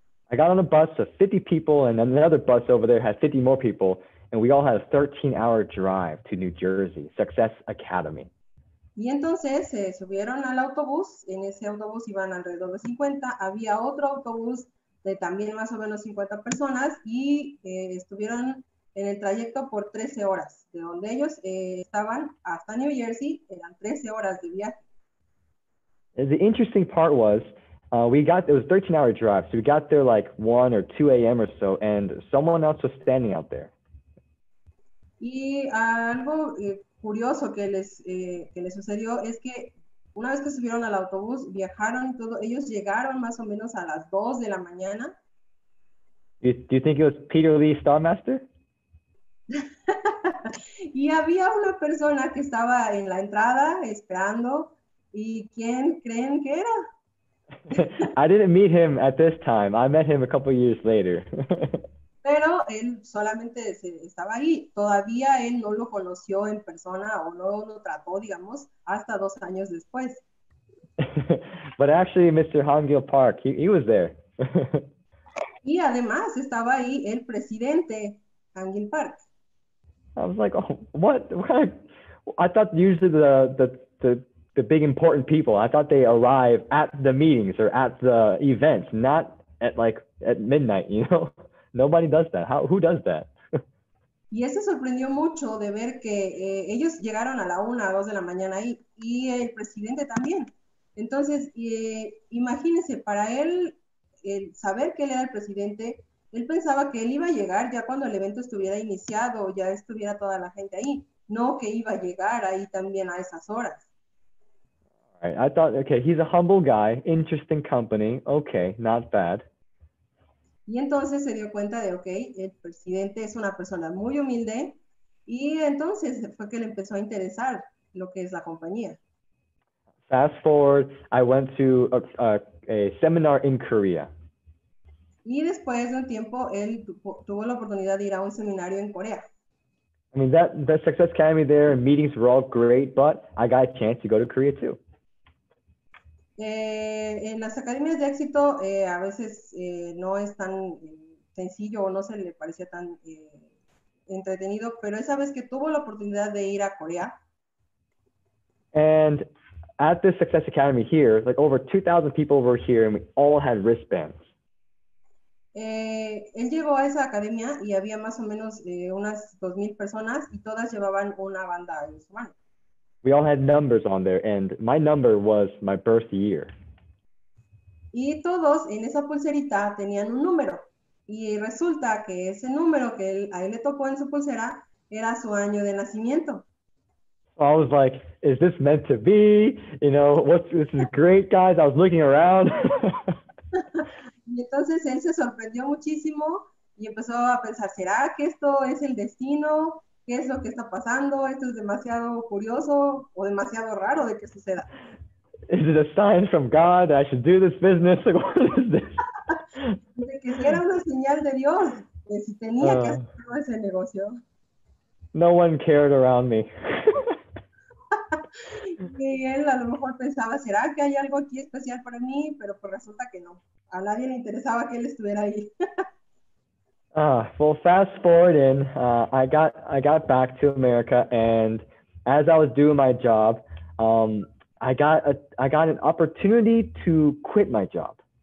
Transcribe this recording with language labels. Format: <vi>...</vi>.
<en>I got on a bus of 50 people and another bus over there had 50 more people and we all had a 13-hour drive to New Jersey, Success Academy.</en> <es>Y entonces se subieron al autobús, en ese autobús iban alrededor de 50, había otro autobús de también más o menos 50 personas y estuvieron en el trayecto por 13 horas. De donde ellos estaban hasta New Jersey, eran 13 horas de viaje.</es> <en>The interesting part was, it was a 13-hour drive, so we got there like 1 or 2 a.m. or so, and someone else was standing out there.</en> <es>Y algo curioso que les sucedió es que una vez que subieron al autobús, viajaron todo, ellos llegaron más o menos a las 2 de la mañana.</es> <en>Do you think it was Peter Lee Starmaster?</en> <es>Y había una persona que estaba en la entrada esperando, ¿y quién creen que era?</es> <en>I didn't meet him at this time. I met him a couple of years later.</en> <es>Pero él solamente estaba ahí. Todavía él no lo conoció en persona o no lo trató, digamos, hasta dos años después.</es> <en>But actually, Mr. Hongil Park, he was there.</en> <es>Y además estaba ahí el presidente Hongil Park.</es> <en>I was like, oh, what? I thought usually the big important people, I thought they arrive at the meetings or at the events, not at like at midnight, you know? Nobody does that. Who does that?</en> <es>Y eso sorprendió mucho de ver que ellos llegaron a la 1 o 2 de la mañana y el presidente también. Entonces, imagínense, para él, el saber que él era el presidente, él pensaba que él iba a llegar ya cuando el evento estuviera iniciado, ya estuviera toda la gente ahí, no que iba a llegar ahí también a esas horas.</es> <en>I thought, okay, he's a humble guy, interesting company, okay, not bad.</en> <es>Y entonces se dio cuenta de, ok, el presidente es una persona muy humilde, y entonces fue que le empezó a interesar lo que es la compañía.</es> <en>Fast forward, I went to a seminar in Korea.</en> <es>Y después de un tiempo, él tuvo la oportunidad de ir a un seminario en Corea.</es> <en>I mean, that the Success Academy there and meetings were all great, but I got a chance to go to Korea too.</en> <es>En las academias de éxito, a veces no es tan sencillo o no se le parecía tan entretenido, pero esa vez que tuvo la oportunidad de ir a Corea.</es> <en>And at the Success Academy here, like over 2,000 people were here and we all had wristbands.</en> <es>Él llegó a esa academia y había más o menos unas 2,000 personas y todas llevaban una banda en su mano.</es> <en>We all had numbers on there and my number was my birth year.</en> <es>Y todos en esa pulserita tenían un número. Y resulta que ese número que a él le tocó en su pulsera era su año de nacimiento.</es> <en>I was like, is this meant to be? You know, this is great, guys. I was looking around.</en> <es>Y entonces él se sorprendió muchísimo y empezó a pensar, ¿será que esto es el destino? ¿Qué es lo que está pasando? ¿Esto es demasiado curioso o demasiado raro de que suceda? ¿Es un</es> <en>sign from God that I should do this business?</en> <es>De que si era una señal de Dios, de si tenía que hacer ese negocio.</es> <en>No one cared around me.</en> <es>Y él a lo mejor pensaba, ¿será que hay algo aquí especial para mí? Pero pues resulta que no. A nadie le interesaba que él estuviera ahí.</es> <en>Well, fast forward in, I got back to America, and as I was doing my job, I got an opportunity to quit my job.</en>